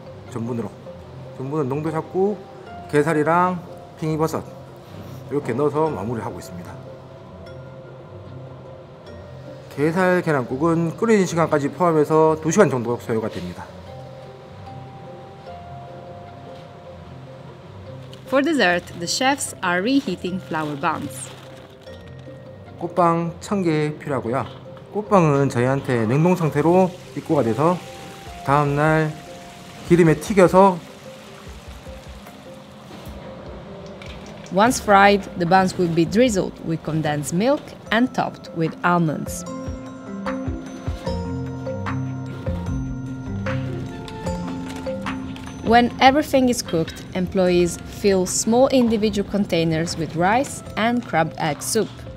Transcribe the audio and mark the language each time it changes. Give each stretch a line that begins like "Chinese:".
Korean: 전분은 농도 잡고 게살이랑 팽이버섯 이렇게 넣어서 마무리하고 있습니다. 게살 계란국은 끓이는 시간까지 포함해서 2시간 정도 소요가 됩니다.
English: For dessert, the chefs are reheating flour buns.
Korean: 꽃빵 1000개 필요하고요. 꽃빵은 저희한테 냉동 상태로 입고가 돼서 다음날 기름에 튀겨서
English: Once fried, the buns will be drizzled with condensed milk and topped with almonds. When everything is cooked, employees fill small individual containers with rice and crab egg soup.